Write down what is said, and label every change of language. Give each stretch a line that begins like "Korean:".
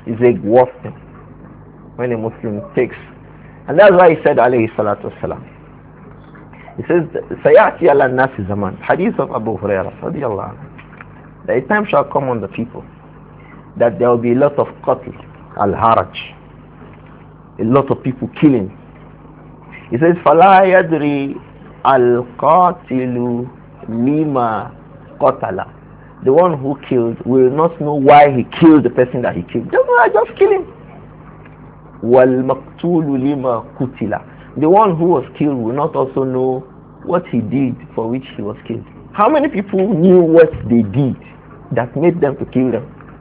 English: It's a worse thing when a Muslim takes. And that's why he said, alayhi salatu wasalam, He says,
Arabic: Sayati ala nasi zaman.
English: Hadith of Abu Huraira, radiallahu anhu. A time shall come on the people that there will be a lot of qatl, al-haraj, a lot of people killing. He says,
Arabic: فَلَا يَدْرِي الْقَاتِلُ لِمَا قَتَلَ.
English: The one who killed will not know why he killed the person that he killed. Don't know, I just kill him.
Arabic: وَالْمَقْتُولُ لِمَا قُتِلَ.
English: The one who was killed will not also know what he did for which he was killed. How many people knew what they did that made them to kill them?